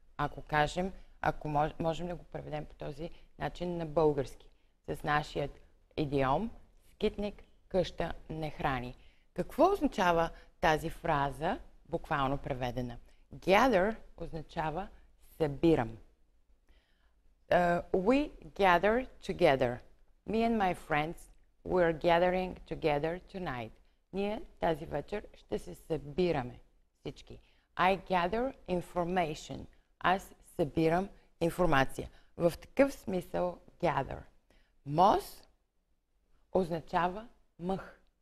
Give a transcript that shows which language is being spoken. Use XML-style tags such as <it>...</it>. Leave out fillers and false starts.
<bg>Ако кажем, ако можем да го преведем по този начин на български, с нашият идиом, скитник къща не храни. Какво означава тази фраза, буквално преведена? Gather означава събирам.</bg> <en>We gather together. Me and my friends, we're gathering together tonight.</en> <bg>Ние тази вечер ще се събираме всички.</bg> <en>I gather information.</en> <bg>Аз събирам информация. В такъв смисъл gather. Moss означава мъх.</bg>